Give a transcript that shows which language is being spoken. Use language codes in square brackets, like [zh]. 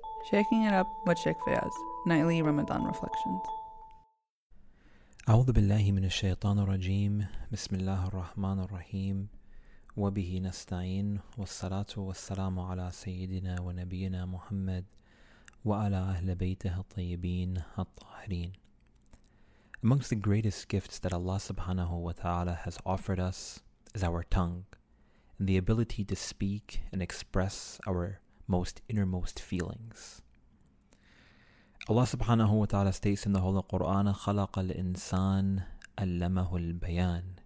[en] Shaking it up with Sheikh Fayaz, nightly Ramadan reflections. [ar] أعوذ بالله من الشيطان الرجيم بسم الله الرحمن الرحيم وبه نستعين والصلاة والسلام على سيدنا ونبينا محمد وعلى أهل بيته الطيبين الطاهرين. [en] Amongst the greatest gifts that Allah subhanahu wa ta'ala has offered us is our tongue and the ability to speak and express our most innermost feelings. Allah subhanahu wa ta'ala states in the Holy Quran, [ar] خَلَقَ الْإِنسَانَ أَلَّمَهُ الْبَيَانَ.